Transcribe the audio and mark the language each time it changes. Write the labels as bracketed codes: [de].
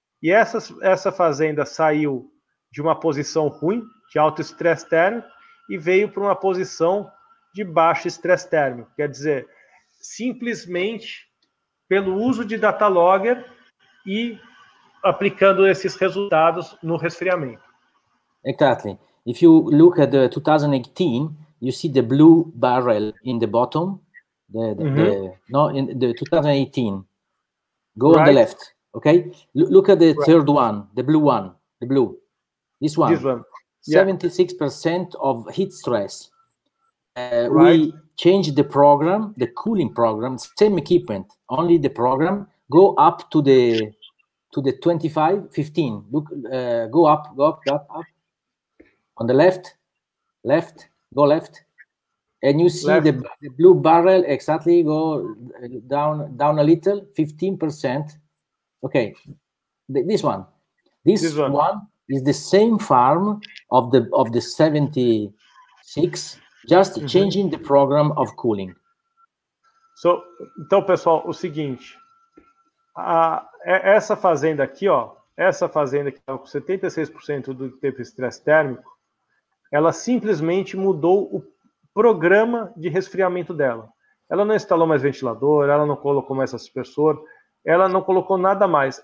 [pt] E essa fazenda saiu de uma posição ruim, de alto estresse térmico, e veio para uma posição de baixo estresse térmico. Quer dizer, simplesmente pelo uso de data logger e aplicando esses resultados no resfriamento. [en] Exactly. If you look at the 2018, you see the blue barrel in the bottom. In the 2018. Go right. On the left. Okay? Look at the right. Third one, the blue one, the blue. This one, 76% of heat stress. Right. We changed the program, the cooling program, same equipment, only the program, go up to the 25, 15. Look, go up. On the left, go left. And you see the blue barrel exactly go down a little, 15%. Okay, this one. Is the same farm of the 76, just changing the program of cooling. [pt] So, então, pessoal, o seguinte, essa fazenda aqui, ó, essa fazenda que está com 76% do tempo de estresse térmico, ela simplesmente mudou o programa de resfriamento dela. Ela não instalou mais ventilador, ela não colocou mais aspersor, ela não colocou nada mais.